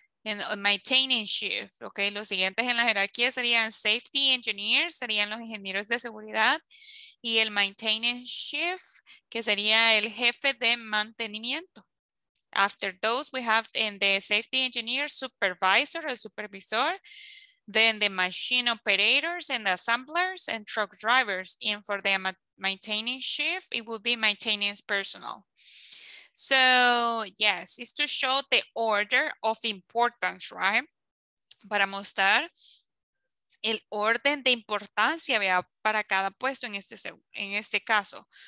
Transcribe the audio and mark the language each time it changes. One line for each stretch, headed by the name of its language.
Spanish: En maintaining shift, ok, los siguientes en la jerarquía serían safety engineers, serían los ingenieros de seguridad, y el maintaining shift, que sería el jefe de mantenimiento.
English: After those, we have in the safety engineer supervisor,
Spanish: el supervisor,
English: then the machine operators and assemblers and truck drivers, and for the maintaining shift, it would be maintenance personnel. So, yes, it's to show the order of importance, right?
Spanish: Para mostrar el orden de importancia, vea, para cada puesto en este caso.